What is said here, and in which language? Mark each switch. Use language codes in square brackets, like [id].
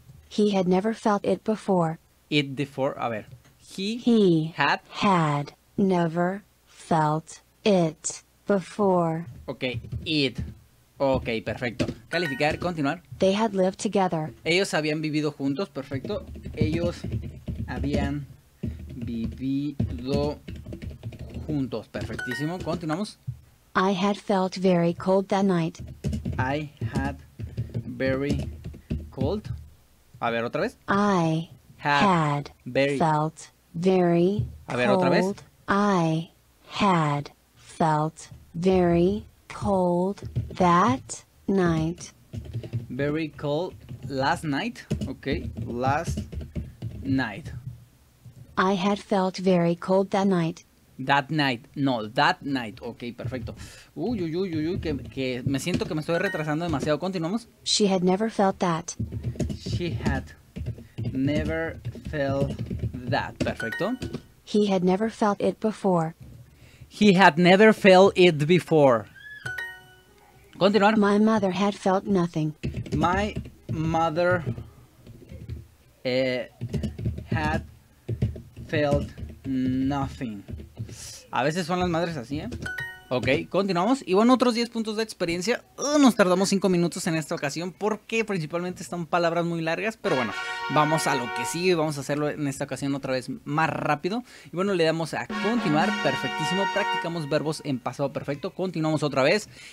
[en] He had never felt it before. It before, [es] a ver. [en] He had never felt it before. [es] Ok, it. Ok, perfecto. Calificar, continuar. [en] They had lived together. [es] Ellos habían vivido juntos, perfecto. Ellos habían vivido juntos, perfectísimo. Continuamos. [en] I had felt very cold that night. I had very cold. [es] A ver, otra vez. [en] I had very felt very cold. [es] A ver, otra vez. [en] I had felt very cold that night. Very cold last night. Okay, last night. I had felt very cold that night. That night. No, that night. Okay, perfecto. [es] Uy, que me siento que me estoy retrasando demasiado. Continuamos. [en] She had never felt that. She had never felt that. Perfecto. He had never felt it before. He had never felt it before. [es] Continuar. [en] My mother had felt nothing. My mother had felt nothing. [es] A veces son las madres así, ¿eh? Ok, continuamos. Y bueno, otros 10 puntos de experiencia. Nos tardamos 5 minutos en esta ocasión porque principalmente están palabras muy largas. Pero bueno, vamos a lo que sigue. Vamos a hacerlo en esta ocasión otra vez más rápido. Y bueno, le damos a continuar. Perfectísimo. Practicamos verbos en pasado perfecto. Continuamos otra vez.